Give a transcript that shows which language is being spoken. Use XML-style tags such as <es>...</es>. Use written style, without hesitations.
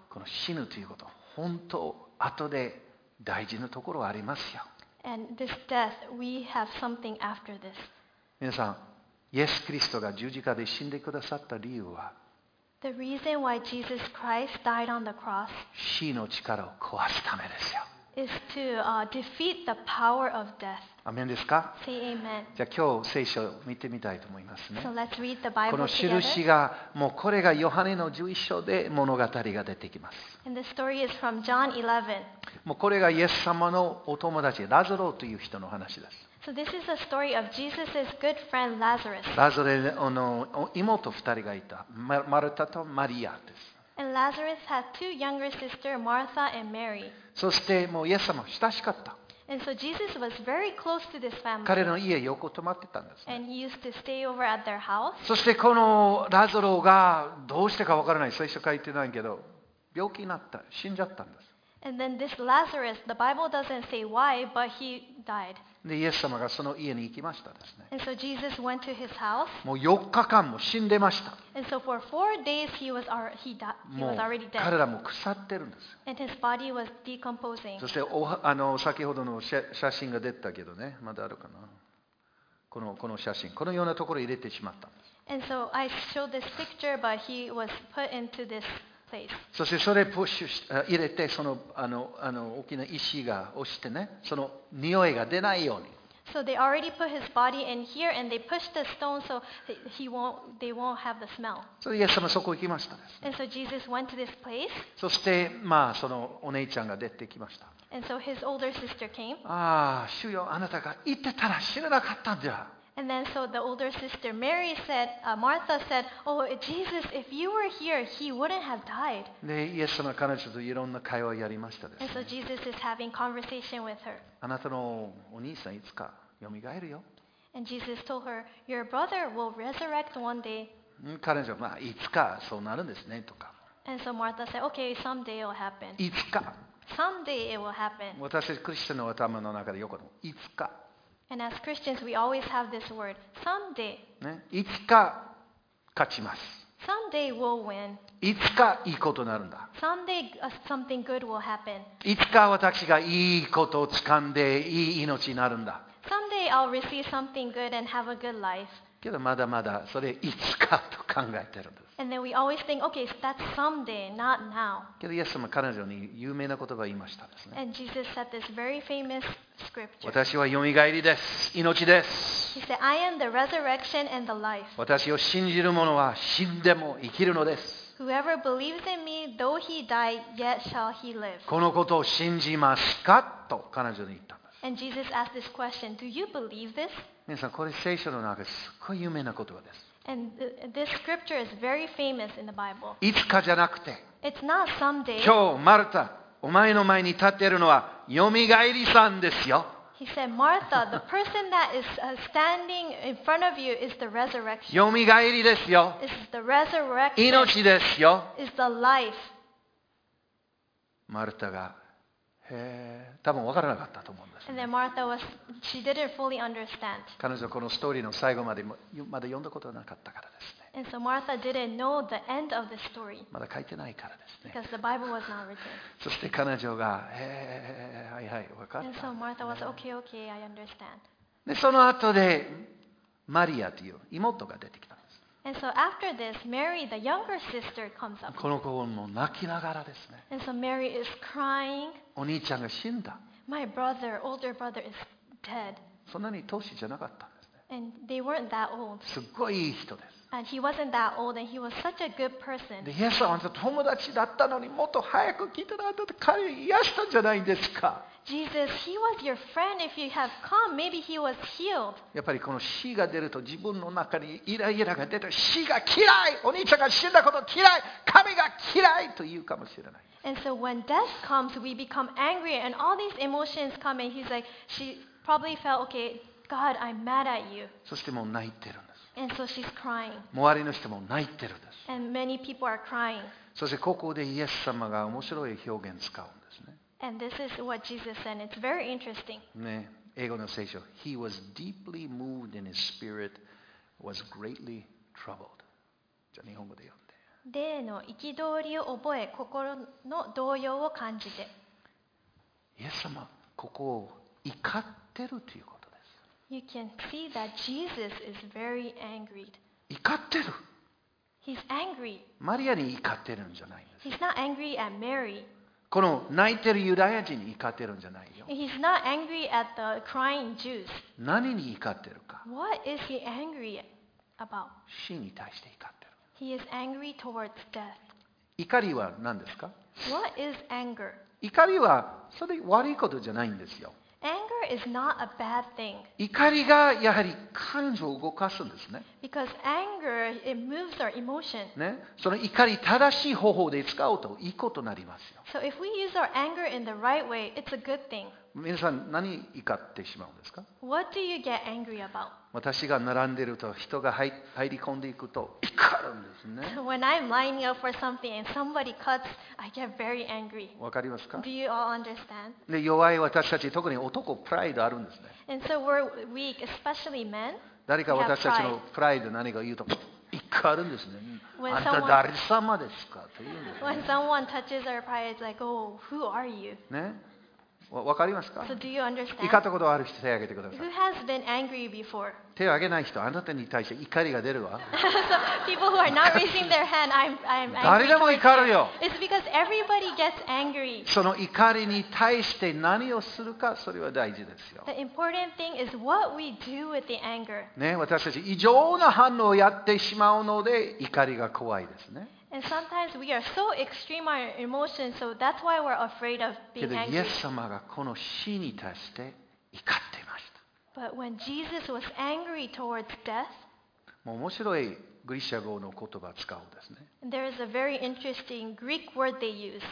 <ja>この死ぬということ、本当後で大事なところありますよ。</ja> <en>And this death, we have something after this.</en> <ja>皆さん、イエス・キリストが十字架で死んでくださった理由は、</ja> <en>The reason why Jesus Christ died on the cross</en> <ja>死の力を壊すためですよ。</ja> <en>Is to defeat the power of death.</en> <ja>アメンですか？</ja> <en>Say amen.</en> <ja>じゃあ今日聖書を見てみたいと思いますね。</ja> <en>So let's read the Bible together.</en> <ja>この印がもうこれがヨハネの十一章で物語が出てきます。</ja> <en>And the story is from John 11.</en> <ja>もうこれがイエス様のお友達ラゾロという人の話です。</ja> <en>So this is the story of Jesus's good friend Lazarus.</en> <ja>ラゾレの妹2人がいた、マルタとマリアです。</ja> <en>And Lazarus had two younger sisters, Martha and Mary.</en> <ja>そしてもうイエス様親しかった。</ja> <en>And so Jesus was very close to this family.</en> <ja>彼の家横泊まってたんです、ね。</ja> <en>And he used to stay over at their house.</en> <ja>そしてこのラゾロがどうしてかわからない、最初書いてないけど病気になった、死んじゃったんです。</ja> <en>And then this Lazarus, the Bible doesn't say why, but he died.</en> <ja>でイエス様がその家に行きましたですね。</ja> <en>And so Jesus went to his house.</en> <ja>もう4日間も死んでました。</ja> <en>And so for four days he was already dead.</en> <ja>もう体も腐ってるんですよ。</ja> <en>And his body was decomposing.</en> <ja>そして先ほどの写真が出たけどね、まだあるかな。この写真、このようなところに入れてしまったんです。</ja> <en>And so I showed this picture, but he was put into this.</en> <ja>そしてそれをプッシュし入れてその大きな石が押してね、その匂いが出ないように。</ja> <en>So they already put his body in here and they pushed the stone so they won't have the smell.</en> <ja>そしてイエス様そこ行きましたです、ね。</ja> <en>And so Jesus went to this place.</en> <ja>そしてまあそのお姉ちゃんが出てきました。</ja> <en>And so his older sister came.</en> <ja>ああ、主よ、あなたが行ってたら死ななかったんじゃ。</ja> <en>And then so the older sister Mary said, Martha said, Oh, Jesus, if you were here, he wouldn't have died.</en> <ja>で、イエス様は彼女といろんな会話をやりましたですね。</ja> <en>And so Jesus is having conversation with her.</en> <ja>あなたのお兄さんいつか蘇るよ。</ja> <en>And Jesus told her, Your brother will resurrect one day.</en> <ja>彼女は、まあ、いつかそうなるんですねとか。</ja> <en>And so Martha said, Okay, someday it will happen.</en> <ja>いつか。</ja> <en>Someday it will happen.</en> <ja>私たちクリスチャンの頭の中でよくのいつか。</ja> <en>And as Christians, we always have this word, someday.</en> <ja>ね、いつか勝ちます。</ja> <en>Someday we'll win.</en> <ja>いつかいいことになるんだ。</ja> <en>Someday something good will happen.</en> <ja>いつか私がいいことを掴んでいい命になるんだ。</ja> <en>Someday I'll receive something good and have a good life.</en> <ja>けどまだまだそれいつかと考えてるんです。</ja> <en>And then we always think, okay, that's someday, not now.</en> <ja>けどイエス様は彼女に有名な言葉を言いましたですね。</ja> <en>And Jesus said this very famous scripture.</en> <ja>私はよみがえりです。命です。</ja> <en>He said, I am the resurrection and the life.</en> <ja>私を信じる者は死んでも生きるのです。</ja> <en>Whoever believes in me, though he die, yet shall he live.</en> <ja>このことを信じますかと彼女に言ったんです。</ja> <en>And Jesus asked this question, do you believe this?</en> <ja>皆さん、これ聖書の中ですごい有名な言葉です。</ja> <en>And this scripture is very famous in the Bible.</en> <ja>いつかじゃなくて、</ja> <en>It's not someday.</en> <ja>今日、マルタ、お前の前に立っているのは、よみがえりさんですよ。</ja> <en>He said, Martha, the person that is standing in front of you is the resurrection.</en> <ja>よみがえりですよ。</ja> <en>It's the resurrection.</en> <ja>命ですよ。</ja> <en>It's the life.</en> <ja>マルタが、へえ、多分分からなかったと思うんです、ね。</ja> <en>And then Martha was, she didn't fully understand.</en> <ja>彼女はこのストーリーの最後までまだ読んだことがなかったからですね。</ja> <en>And so Martha didn't know the end of the story.</en> <ja>まだ書いてないからですね。</ja> <en>Because the Bible was not written.</en> <ja>そして彼女が、へえ、はいはい、分かった。</ja> <en>And so Martha was okay, okay, I understand.</en> <ja>でその後でマリアという妹が出てきたんです。</ja> <en>And so after this, Mary, the younger sister, comes up.</en> <ja>この子も泣きながらですね。</ja> <en>And so Mary is crying.</en> <ja>お兄ちゃんが死んだ。</ja> <en>My brother, older brother, is dead.</en> <ja>そんなに年じゃなかったんですね。</ja> <en>And they weren't that old.</en> <ja>すごいいい人です。</ja> <en>And he wasn't that old, and he was such a good person.</en> <ja>イエス様と友達だったのにもっと早く来たらって彼を癒したんじゃないですか。</ja> <en>Jesus, he was your friend. If you have come, maybe he was healed.</en> <ja>やっぱりこの死が出ると自分の中にイライラが出て死が嫌い、お兄ちゃんが死んだこと嫌い、神が嫌いというかもしれない。</ja> <en>And so when death comes, we become angry, and all these emotions come, and he's like, she probably felt, okay, God, I'm mad at you.</en> <ja>そしてもう泣いてるんです。</ja> <en>And so she's crying.</en> <ja>周りの人も泣いてるんです。</ja> <en>And many people are crying.</en> <ja>そしてここでイエス様が面白い表現使うんですね。</ja> <en>And this is what Jesus said. It's very interesting.</en> <ja>ね、英語の聖書。</ja> <en>He was deeply moved in his spirit, was greatly troubled.</en> <ja>じゃあ日本語で読んで。例の憤りを覚え、心の動揺を感じて。イエス様、ここを怒ってるということ。</ja> <en>You can see that Jesus is very angry.</en> <ja>怒ってる。</ja> <en>He's angry.</en> <ja>マリアに怒ってるんじゃないんです。</ja> <en>He's not angry at Mary.</en> <ja>この泣いてるユダヤ人に怒ってるんじゃないよ。</ja> <en>He's not angry at the crying Jews.</en> <ja>何に怒ってるか。</ja> <en>What is he angry about?</en> <ja>死に対して怒ってる。</ja> <en>He is angry towards death.</en> <ja>怒りは何ですか？</ja> <en>What is anger?</en> <ja>怒りはそれ悪いことじゃないんですよ。</ja> <en>Anger is not a bad thing.</en> <ja>怒りがやはり感情を動かすんですね。</ja> <en>Because anger, it moves our emotion.</en> <ja>ね、その怒り正しい方法で使うといいことになりますよ。</ja> <en>So if we use our anger in the right way, it's a good thing.</en> <ja>皆さん何怒ってしまうんですか？</ja> <en>What do you get angry about?</en> <ja>私が並んでると人が入り込んでいくと怒るんですね。</ja> <en>When I'm lining up for something and somebody cuts, I get very angry.</en> <ja>わかりますか？</ja> <en>Do you all understand?</en> <ja>で、弱い私たち特に男プライドあるんですね。</ja> <en>And so we're weak, especially men.</en> <ja>誰か私たちのプライド何か言うと怒るんですね。あんた誰様ですか？と言うんですね。</ja> <en>When someone touches our pride, it's like, oh, who are you?</en> <ja>ね。わかりますか？</ja> <en>So、do you understand?</en> <ja>怒ったことある人手を挙げてください。</ja> <en>Who has been angry before?</en> <ja>手を挙げない人、あなたに対して怒りが出るわ。</ja> <en>So, people who are not raising their hand, I'm angry.</en> <ja>誰でも怒るよ。</ja> <en>It's because everybody gets angry.</en> <ja>その怒りに対して何をするか、それは大事ですよ。</ja> <en>The important thing is what we do with the anger.</en> <ja>ね、私たち異常な反応をやってしまうので怒りが怖いですね。</ja> <en>And sometimes we are so extreme in our emotions, so that's why we're afraid of being angry.</en> <ja>けどイエス様がこの死に対して怒っていました。</ja> <en>But when Jesus was angry towards death,</en> <ja>もう面白いグリシャ語の言葉を使うんですね。</ja> <en>There is a very interesting Greek word they use.</en>